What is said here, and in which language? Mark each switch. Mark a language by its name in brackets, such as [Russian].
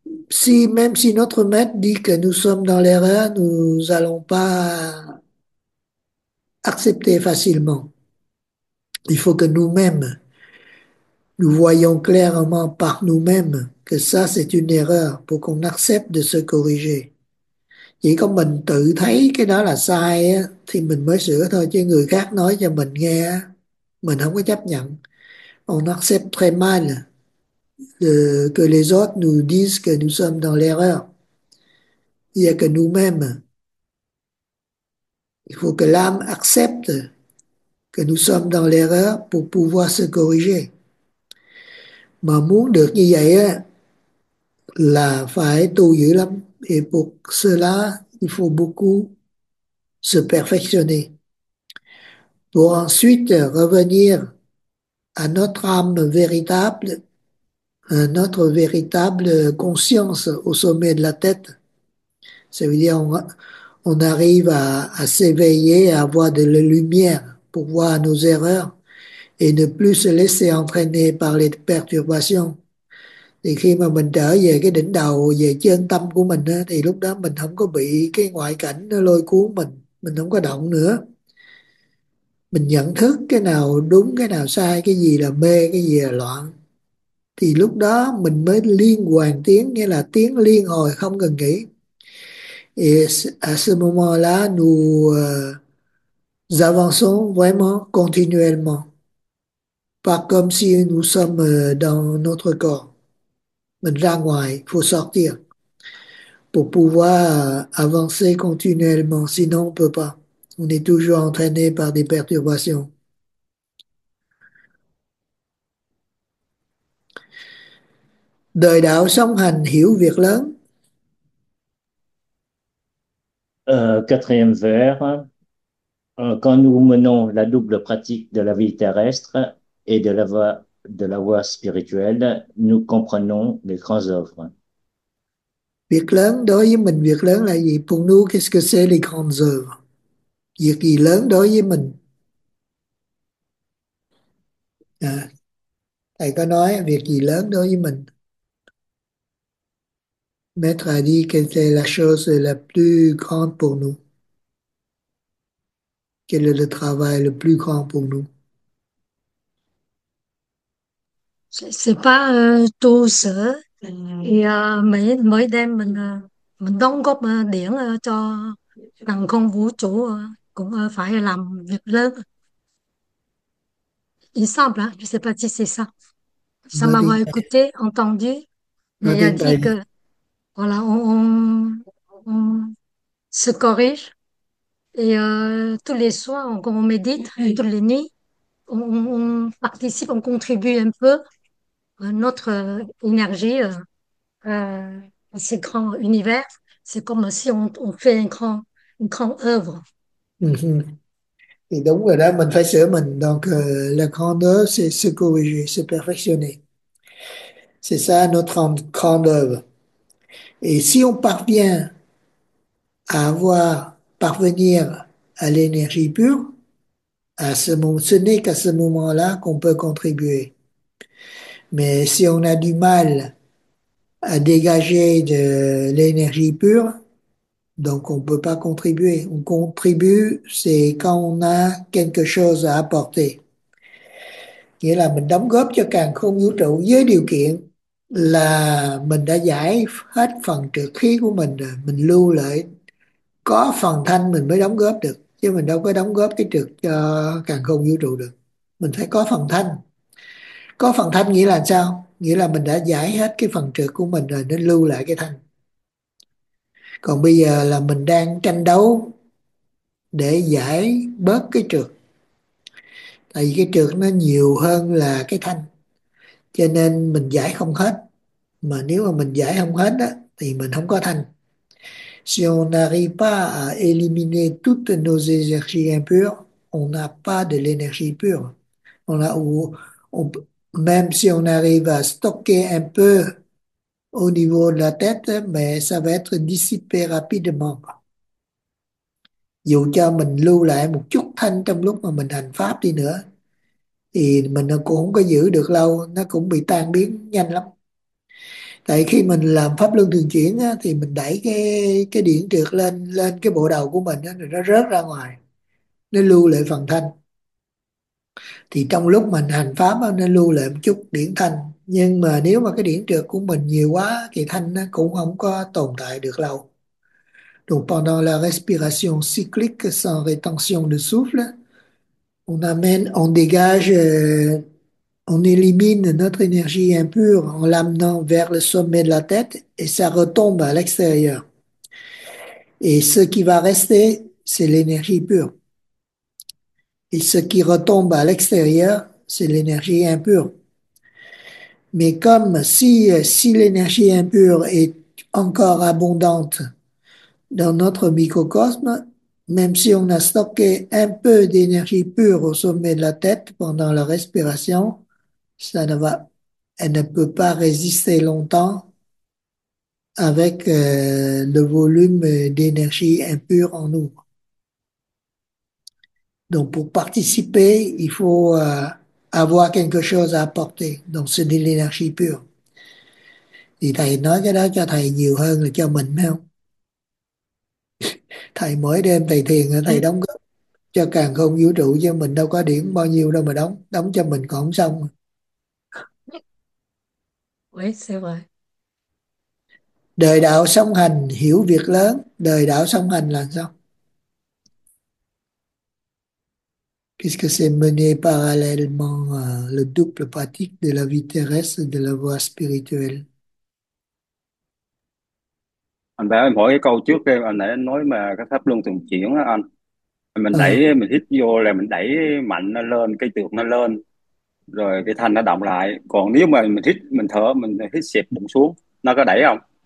[French] Si, même si notre maître dit que nous sommes dans l'erreur, nous n'allons pas accepter facilement. Il faut que nous-mêmes, nous voyons clairement par nous-mêmes que ça, c'est une erreur pour qu'on accepte de se corriger. [Vietnamese] Chỉ có mình tự thấy cái đó là sai á, thì mình mới sửa thôi, chứ người khác nói cho mình nghe á, mình không có chấp nhận. [French] On accepte très mal que les autres nous disent que nous sommes dans l'erreur. Il y a que nous-mêmes. Il faut que l'âme accepte que nous sommes dans l'erreur pour pouvoir se corriger. [Vietnamese] Mà muốn được như vậy á, là phải tu dữ lắm. [French] Et pour cela, il faut beaucoup se perfectionner pour ensuite revenir à notre âme véritable, à notre véritable conscience au sommet de la tête. Ça veut dire on arrive à s'éveiller, à avoir de la lumière pour voir nos erreurs et ne plus se laisser entraîner par les perturbations. [Vietnamese] Thì khi mà mình trở về cái đỉnh đầu, về chân tâm của mình á, thì lúc đó mình không có bị cái ngoại cảnh nó lôi cuốn mình không có động nữa. Mình nhận thức cái nào đúng, cái nào sai, cái gì là mê, cái gì là loạn. Thì lúc đó mình mới liên hoàn tiếng, nghĩa là tiếng liên hồi không ngừng nghỉ. [French] Et à ce moment-là, nous avançons vraiment continuellement. Pas comme si nous sommes dans notre corps. [Vietnamese] Mình ra ngoài, [French] faut sortir pour pouvoir avancer continuellement, sinon on peut pas. On est toujours entraîné par des perturbations. [Vietnamese] Đời đạo song hành hiểu việc lớn. [French] Quatrième vers, quand nous menons la double pratique de la vie terrestre et de la voie spirituelle, nous comprenons les grandes œuvres. [Vietnamese] Việc lớn đối với mình, việc lớn là gì? [French] Pour nous, qu'est-ce que c'est les grandes œuvres? [Vietnamese] Việc gì lớn đối với mình? À, thầy có nói việc gì lớn đối với mình? [French] Maître a dit quelle est la chose la plus grande pour nous? Quel est le travail le plus grand pour nous? C'est pas tout ça. [Vietnamese] Thì mới đem mình đóng góp điển cho càn khôn vũ trụ, cũng phải làm việc lớn. [French] Il semble, hein? Je sais pas si c'est ça. Ça Va m'a bien. écouté, entendu, Va mais a dit Taïdi. que voilà, on se corrige et tous les soirs, quand on médite, oui. Toutes les nuits, on participe, on contribue un peu. Notre énergie, ces grands univers, c'est comme si on fait un grand une grande œuvre. [Vietnamese] Thì đúng rồi đó, mình phải sửa mình. [French] Donc, le grandeur, c'est se corriger, se perfectionner. C'est ça notre grande œuvre. Et si on parvient à parvenir à l'énergie pure, ce n'est qu'à ce moment-là qu'on peut contribuer. Mais si on a du mal à dégager de l'énergie pure, donc on ne peut pas contribuer. On contribue, c'est quand on a quelque chose à apporter. [Vietnamese] Nghĩa là mình đóng góp cho càn khôn vũ trụ với điều kiện là mình đã giải hết phần trược khí của mình rồi, mình lưu lại có phần thanh mình mới đóng góp được, chứ mình đâu có đóng góp cái trược cho càn khôn vũ trụ được. Mình phải có phần thanh. Có phần thanh nghĩa là sao? Nghĩa là mình đã giải hết cái phần trược của mình rồi, nên lưu lại cái thanh. Còn bây giờ là mình đang tranh đấu để giải bớt cái trược. Tại vì cái trược nó nhiều hơn là cái thanh, cho nên mình giải không hết. Mà nếu mà mình giải không hết đó, thì mình không có thanh. [French] Si on n'arrive pas à éliminer toutes nos énergies impures, on n'a pas de l'énergie pure. Même si on arrive à stocker un peu au niveau de la tête, mais ça va être dissipé rapidement. [Vietnamese] Dù cho mình lưu lại một chút thanh trong lúc mà mình hành pháp đi nữa, thì mình cũng không có giữ được lâu, nó cũng bị tan biến nhanh lắm. Tại khi mình làm pháp luân thường chuyển á, thì mình đẩy cái điện trượt lên lên cái bộ đầu của mình á, rồi nó rớt ra ngoài, nó lưu lại phần thanh. Thì trong lúc mình hành pháp á, nó lưu lại một chút điển thanh, nhưng mà nếu mà cái điển trượt của mình nhiều quá thì thanh nó cũng không có tồn tại được lâu. [French] Donc pendant la respiration cyclique sans rétention de souffle, on élimine notre énergie impure en l'amenant vers le sommet de la tête et ça retombe à l'extérieur. Et ce qui va rester, c'est l'énergie pure. Et ce qui retombe à l'extérieur, c'est l'énergie impure. Mais comme si l'énergie impure est encore abondante dans notre microcosme, même si on a stocké un peu d'énergie pure au sommet de la tête pendant la respiration, elle ne peut pas résister longtemps avec le volume d'énergie impure en nous. Donc pour participer, il faut avoir quelque chose à apporter. Donc c'est de l'énergie pure. [Vietnamese] Thì thầy nói cái đó cho thầy nhiều hơn là cho mình, phải không? Thầy mỗi đêm thầy thiền, thầy đóng góp cho càn khôn vũ trụ, cho mình đâu có điểm bao nhiêu đâu mà đóng, đóng cho mình còn không xong. [French] Oui, c'est vrai. [Vietnamese] Đời đạo song hành, hiểu việc lớn. Đời đạo song hành là sao? [French] Qu'est-ce que c'est mener parallèlement le double pratique de la vie terrestre et de la voie spirituelle? [Vietnamese] Anh đã hỏi cái câu trước kia, anh nãy nói mà cái pháp luân thường chuyển á anh, mình đẩy mình hít vô là mình đẩy mạnh nó lên, cái trượt nó lên rồi cái thanh nó động lại. Còn nếu mà mình thở, mình hít xẹp bụng xuống, nó có đẩy không?